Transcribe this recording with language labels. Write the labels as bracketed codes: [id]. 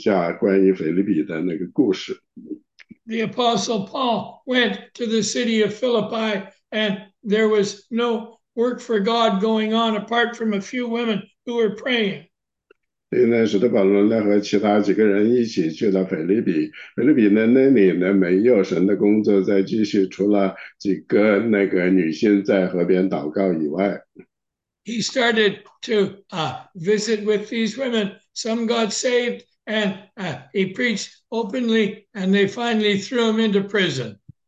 [zh] 我应该跟大家呢，就是提醒一下关于腓立比的那个故事。 [en] The Apostle Paul went to the city of Philippi, and there was no work for God going on apart from a few women who were praying. [zh] 现在使徒保罗呢和其他几个人一起去了腓立比，腓立比呢那里呢没有神的工作在继续，除了几个那个女性在河边祷告以外。 [en] He started to visit with these women. Some got saved, and he preached openly, and they finally threw him into prison.